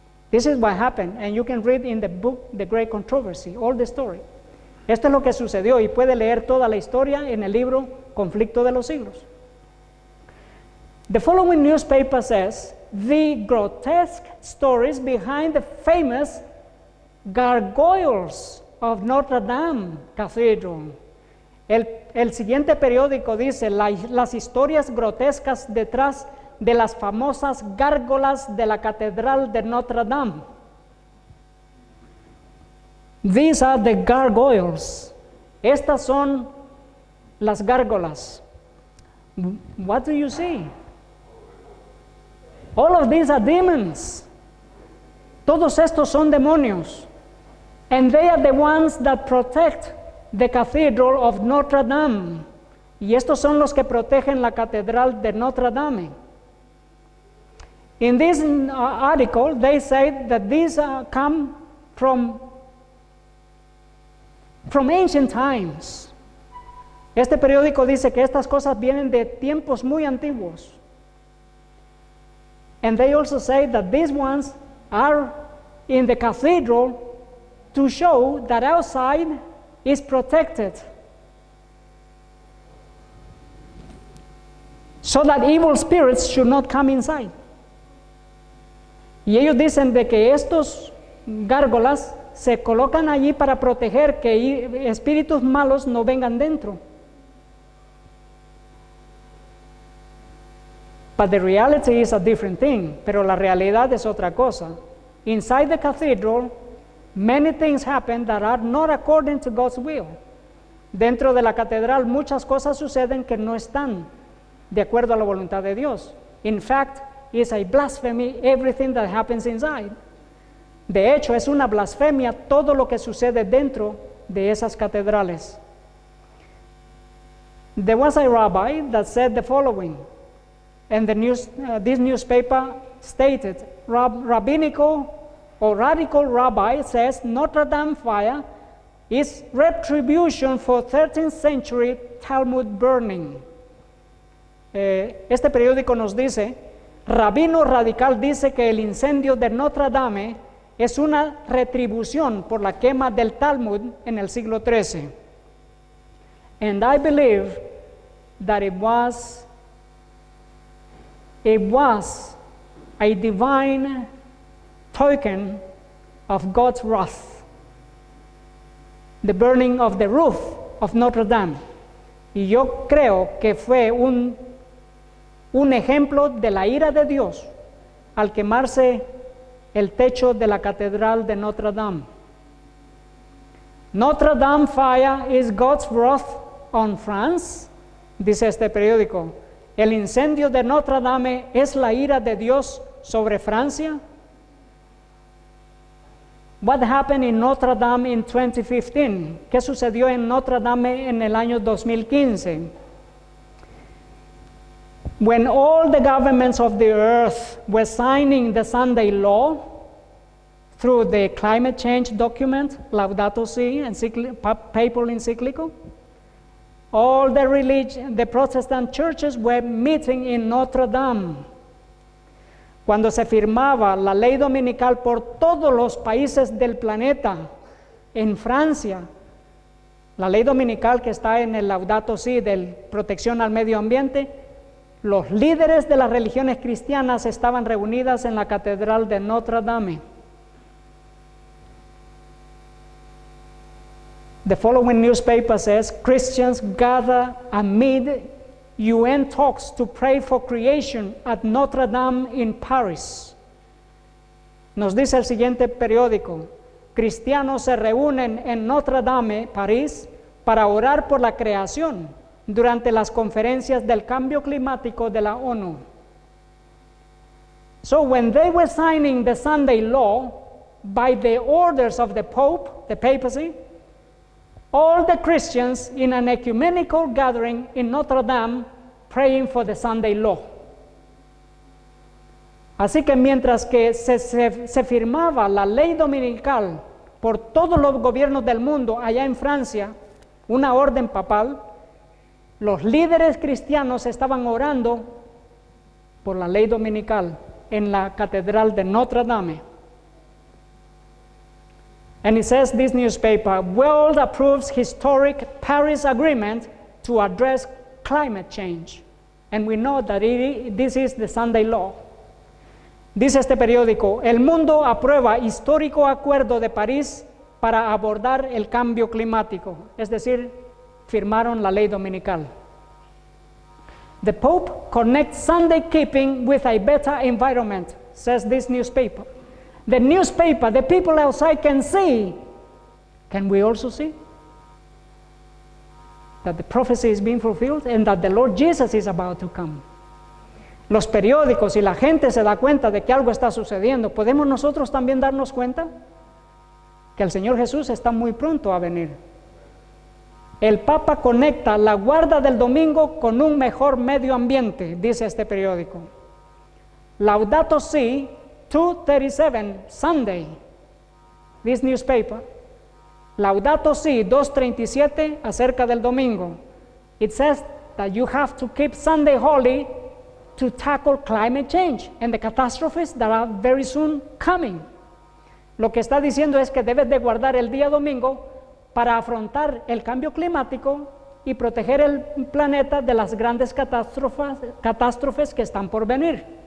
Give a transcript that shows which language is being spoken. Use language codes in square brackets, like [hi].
[en] This is what happened, and you can read in the book The Great Controversy, all the story. [es] Esto es lo que sucedió, y puede leer toda la historia en el libro Conflicto de los Siglos. [en] The following newspaper says, the grotesque stories behind the famous gargoyles of Notre Dame Cathedral. [es] El siguiente periódico dice, las historias grotescas detrás de las famosas gárgolas de la Catedral de Notre Dame. [en] These are the gargoyles. [es] Estas son las gárgolas. [en] What do you see? All of these are demons. [es] Todos estos son demonios. [en] And they are the ones that protect the Cathedral of Notre Dame. [es] Y estos son los que protegen la Catedral de Notre Dame. [en] In this article, they say that these come from ancient times. [es] Este periódico dice que estas cosas vienen de tiempos muy antiguos. [en] And they also say that these ones are in the cathedral to show that outside is protected, so that evil spirits should not come inside. [es] Y ellos dicen de que estos gárgolas se colocan allí para proteger que espíritus malos no vengan dentro. [en] But the reality is a different thing. [es] Pero la realidad es otra cosa. [en] Inside the cathedral, many things happen that are not according to God's will. [es] Dentro de la catedral, muchas cosas suceden que no están de acuerdo a la voluntad de Dios. [en] In fact, it's a blasphemy, everything that happens inside. [es] De hecho, es una blasfemia todo lo que sucede dentro de esas catedrales. [en] There was a rabbi that said the following, and the news, this newspaper stated, radical rabbi says Notre Dame fire is retribution for 13th century Talmud burning. [es] Este periódico nos dice, rabino radical dice que el incendio de Notre Dame es una retribución por la quema del Talmud en el siglo XIII. [en] And I believe that it was a divine token of God's wrath, the burning of the roof of Notre Dame. [es] Y yo creo que fue un ejemplo de la ira de Dios al quemarse el techo de la catedral de Notre Dame. [en] Notre Dame fire is God's wrath on France, [es] dice este periódico. El incendio de Notre Dame es la ira de Dios sobre Francia. [en] What happened in Notre Dame in 2015? [es] ¿Qué sucedió en Notre Dame en el año 2015? [en] When all the governments of the earth were signing the Sunday law through the climate change document, Laudato Si, papal encyclical, all the religion, the Protestant churches were meeting in Notre Dame. [es] Cuando se firmaba la ley dominical por todos los países del planeta, en Francia, la ley dominical que está en el Laudato Si del protección al medio ambiente, los líderes de las religiones cristianas estaban reunidas en la catedral de Notre Dame. [en] The following newspaper says, Christians gather amid UN talks to pray for creation at Notre Dame in Paris. [es] Nos dice el siguiente periódico, cristianos se reúnen en Notre Dame, París, para orar por la creación durante las conferencias del cambio climático de la ONU. [en] So when they were signing the Sunday law, by the orders of the Pope, the papacy, all the Christians in an ecumenical gathering in Notre Dame praying for the Sunday law. [es] Así que mientras que se firmaba la ley dominical por todos los gobiernos del mundo allá en Francia, una orden papal, los líderes cristianos estaban orando por la ley dominical en la catedral de Notre Dame. [en] And it says this newspaper, world approves historic Paris agreement to address climate change. And we know that this is the Sunday law. [es] Dice este periódico, el mundo aprueba histórico acuerdo de París para abordar el cambio climático. Es decir, firmaron la ley dominical. [en] The Pope connects Sunday keeping with a better environment, says this newspaper. The newspaper, the people outside can see. Can we also see? That the prophecy is being fulfilled and that the Lord Jesus is about to come. [es] Los periódicos y la gente se da cuenta de que algo está sucediendo. ¿Podemos nosotros también darnos cuenta? Que el Señor Jesús está muy pronto a venir. El Papa conecta la guarda del domingo con un mejor medio ambiente, dice este periódico. [en] Laudato Si, 237, Sunday, this newspaper. [es] Laudato Si, 237, acerca del domingo. [en] It says that you have to keep Sunday holy to tackle climate change and the catastrophes that are very soon coming. [es] Lo que está diciendo es que debes de guardar el día domingo para afrontar el cambio climático y proteger el planeta de las grandes catástrofes que están por venir.